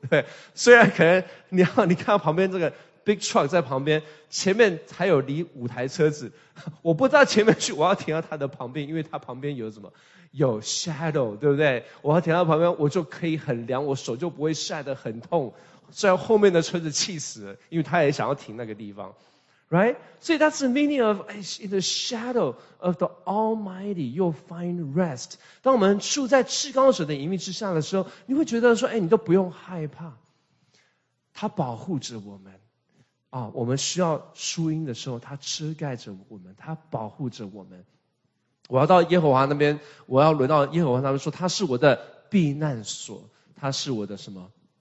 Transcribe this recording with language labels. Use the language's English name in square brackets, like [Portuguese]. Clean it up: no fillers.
[Chinese] 对，虽然可能你看到旁边这个 [English] big truck [Chinese] 在旁边，前面还有离五台车子，我不知道前面去，我要停到他的旁边，因为他旁边有什么，有 [English] shadow, [Chinese] 对不对？我要停到旁边，我就可以很凉，我手就不会晒得很痛，在后面的车子气死了，因为他也想要停那个地方。 [English] Right? So that's the meaning of, in the shadow of the Almighty, you'll find rest. [Chinese] 当我们住在至高者的荫庇之下的时候，你会觉得说，哎，你都不用害怕。他保护着我们。啊，我们需要疏荫的时候，他遮盖着我们，他保护着我们。我要到耶和华那边，我要轮到耶和华那边说，他是我的避难所，他是我的什么？